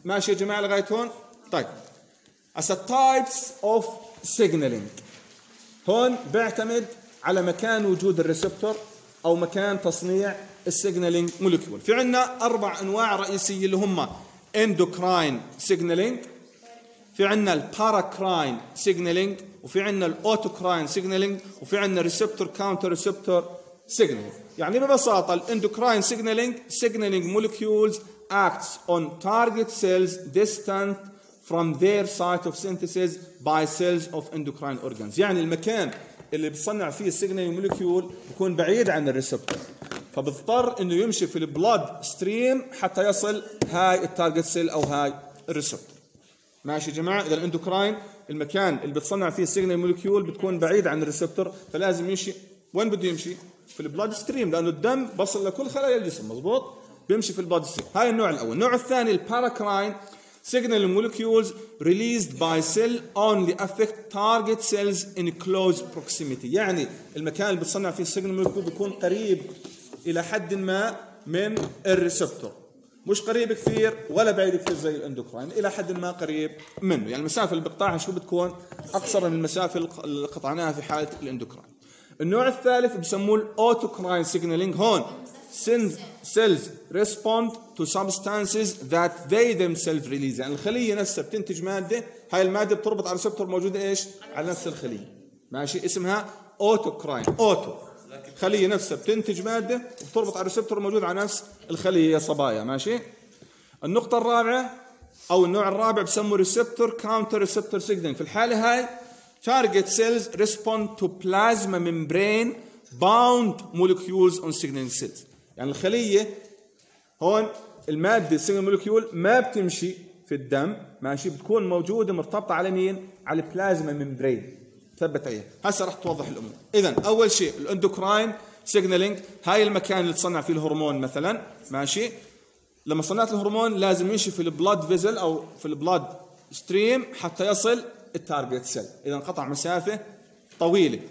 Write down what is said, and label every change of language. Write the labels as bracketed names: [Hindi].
[Arabic] ماشي يا جماعه لغايه هون؟ طيب [English] as a types of signaling [Arabic] هون بيعتمد على مكان وجود الريسبتور او مكان تصنيع السيجنالينج مولكيول. في عندنا اربع انواع رئيسيه اللي هم اندوكراين سيجنالينج، في عندنا الباراكراين سيجنالينج، وفي عندنا الاوتوكراين سيجنالينج، وفي عندنا ريسبتور كاونتر ريسبتور سيجنالينج. يعني ببساطه [English] الاندوكراين signaling signaling molecules acts on target cells distant from their site of synthesis by cells of endocrine organs. [Arabic] يعني المكان اللي بتصنع فيه السيجنالينج مولكيول بيكون بعيد عن الريسبتور، فبضطر انه يمشي في البلود ستريم حتى يصل هاي التارجت سيل او هاي الريسبتور. ماشي يا جماعه. اذا الاندوكراين المكان اللي بتصنع فيه السيجنالينج مولكيول بتكون بعيد عن الريسبتور، فلازم يمشي وين بده يمشي؟ في البلود ستريم، لانه الدم بصل لكل خلايا الجسم مزبوط، بيمشي في البلود ستريم. هاي النوع الاول. النوع الثاني [English] الباراكراين signal molecules released by cell only affect target cells in close proximity. [Arabic] يعني المكان اللي بتصنع فيه signal molecule بيكون قريب إلى حد ما من الريسبتور، مش قريب كثير ولا بعيد كثير زي الاندوكراين، إلى حد ما قريب منه. يعني المسافة اللي بقطعها شو بتكون؟ أقصر من المسافة اللي قطعناها في حالة الاندوكراين. النوع الثالث بسموه الاوتوكراين signaling. هون [English] send cells respond to substances that they themselves release. [Arabic] يعني الخلية نفسها بتنتج مادة، هاي المادة بتربط على ريسبتور موجود إيش على نفس الخلية ماشي، اسمها أوتوكراين. أوتو خلية نفسها بتنتج مادة وبتربط على ريسبتور موجود على نفس الخلية يا صبايا ماشي. النقطة الرابعة أو النوع الرابع بسموه ريسبتور كاونتر ريسبتور سيجنال. في الحالة هاي [English] target cells respond to plasma membrane bound molecules on signaling cells. [Arabic] يعني الخلية هون المادة single molecule ما بتمشي في الدم ماشي، بتكون موجودة مرتبطة على مين؟ على البلازما ممبرين ثبت عليها. هسا رح توضح الأمور. إذن أول شيء الأندوكراين signaling، هاي المكان اللي تصنع فيه الهرمون مثلا ماشي. لما صنعت الهرمون لازم يمشي في البلود فيزل أو في البلود ستريم حتى يصل التارجت سيل، إذا انقطع مسافة طويلة.